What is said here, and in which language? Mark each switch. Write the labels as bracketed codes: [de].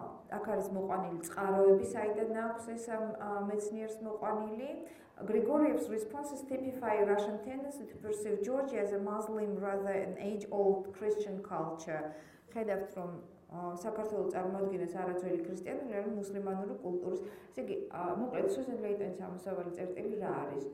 [ka] აქ არის მოყვანილი წყაროები, საიდან აქვს ეს მეცნიერს მოყვანილი. [en] Grigoriev's responses typify Russian tendency to perceive Georgia as a Muslim rather an age-old Christian culture. [ka] ხედავთ რომ საქართველო წარმოადგენს არაძველი ქრისტიანული, არამედ მუსლიმანური კულტურის. ესე იგი, მოკლედ სიუზენ ლეიტონის ამოსავალი წერტილი რა არის?